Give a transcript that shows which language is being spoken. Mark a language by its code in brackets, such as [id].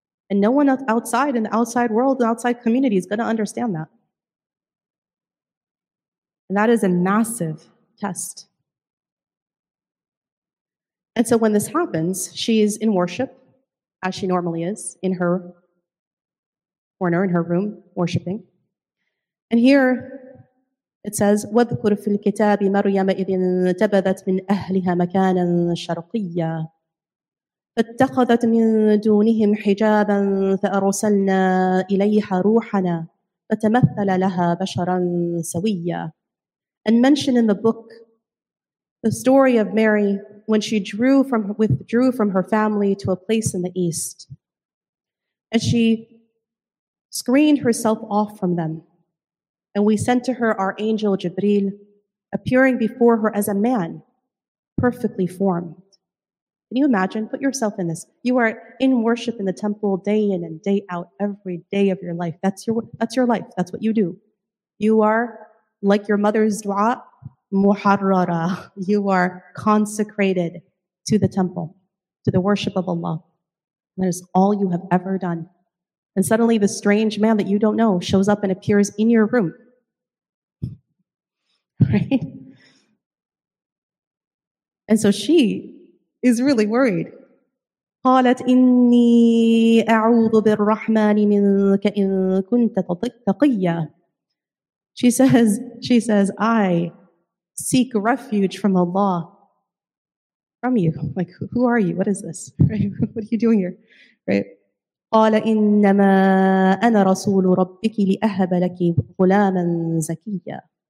[en] And no one outside in the outside world, the outside community is going to understand that. And that is a massive test. And so when this happens, she is in worship, as she normally is, in her corner, in her room, worshiping. And here it says, [ar] وَذْكُرْ فِي الْكِتَابِ مَرْيَمَ إِذِ انْتَبَذَتْ مِنْ أَهْلِهَا مَكَانًا شَرْقِيًّا فاتخذت من دونهم حجابا فأرسلنا إليها روحنا فتمثل لها بشرا سويا. [en] And mentioned in the book the story of Mary when she withdrew from her family to a place in the east, and she screened herself off from them, and we sent to her our angel Jibril, appearing before her as a man, perfectly formed. Can you imagine? Put yourself in this. You are in worship in the temple day in and day out, every day of your life. That's your life. That's what you do. You are, like your mother's dua, muharrara. You are consecrated to the temple, to the worship of Allah. That is all you have ever done. And suddenly the strange man that you don't know shows up and appears in your room. Right? And so she is really worried. [ar] قالت إني أعوذ بالرحمن منك إن كنت تقيا. [en] She says, I seek refuge from Allah, from you. Like, who are you? What is this? What are you doing here? Right? [ar] قال إنما أنا رسول ربك لأهب لك غلاما زكيا.